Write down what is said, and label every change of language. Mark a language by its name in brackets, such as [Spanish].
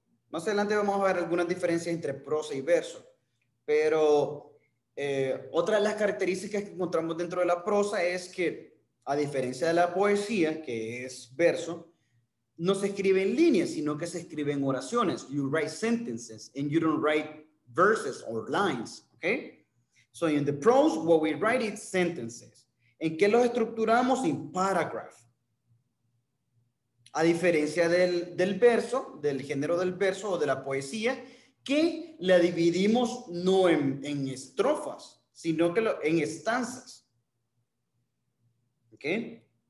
[Spanish] Más adelante vamos a ver algunas diferencias entre prosa y verso. Pero otra de las características que encontramos dentro de la prosa es que, a diferencia de la poesía, que es verso, no se escribe en líneas, sino que se escribe en oraciones. [English] You write sentences and you don't write verses or lines. Okay, so in the prose, what we write is sentences. [Spanish] ¿En qué los estructuramos? [English] In paragraph. [Spanish] A diferencia del verso, del género del verso o de la poesía, que la dividimos no en estrofas, sino que en estanzas. [English] Okay.